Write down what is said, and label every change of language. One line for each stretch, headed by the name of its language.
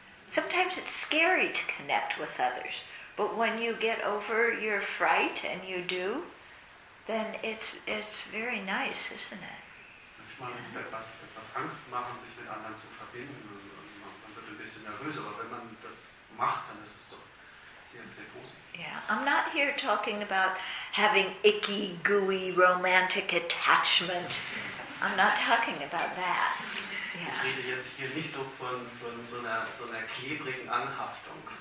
English: Sometimes it's scary to connect with others, but when you get over your fright and you do, then it's very nice, isn't it?
German: Manchmal ist es etwas Angst machen, sich mit anderen zu verbinden, und man wird ein bisschen nervös, aber wenn man das macht, dann ist es doch sehr, sehr positiv.
English: Yeah, I'm not here talking about having icky, gooey, romantic attachment. I'm not talking about that. Yeah.
German: Ich rede jetzt hier nicht so von so einer klebrigen Anhaftung.